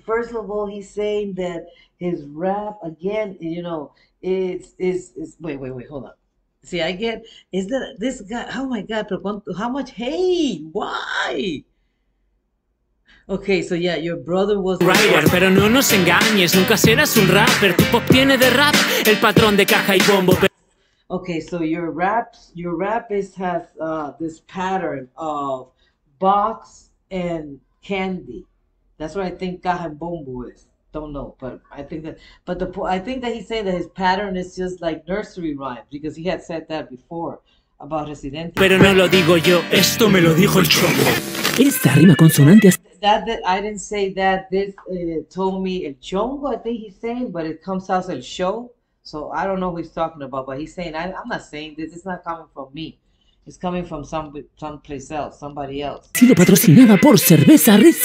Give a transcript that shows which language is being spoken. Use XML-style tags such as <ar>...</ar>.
<en>First of all, he's saying that his rap again, you know, it's wait, hold on. See, I get is that this guy, oh my God, but how much hate? Why? Okay, so yeah, your brother was the Rider, one.</en> <es>pero no nos engañes, nunca serás un rapper. Tu pop tiene de rap el patrón de caja y bombo.</es> <en>Okay, so your rap is has this pattern of box and candy. That's what I think Caja and Bombo is. Don't know, but I think that. But the I think that he's saying that his pattern is just like nursery rhymes because he had said that before about Residente.</en> <es>Pero no lo digo yo, esto me lo dijo el Chombo. Esta rima</es> <en>That</en> <es>consonante.</es> <en>I didn't say that. This told me El Chongo, I think he's saying, but it comes out as El Show. So I don't know who he's talking about, but he's saying I'm not saying this. It's not coming from me. It's coming from someplace else, somebody else.</en> <es>Sido patrocinada por cerveza</es> <en>This</en>